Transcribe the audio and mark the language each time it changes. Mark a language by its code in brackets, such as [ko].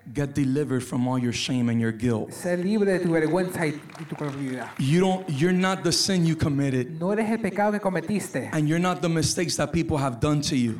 [en] get delivered from all your shame and your guilt. [es] Sé libre de tu vergüenza y tu culpabilidad. [en] You're not the sin you committed. [es] No eres el pecado que cometiste. [en] And you're not the mistakes that people have done to you.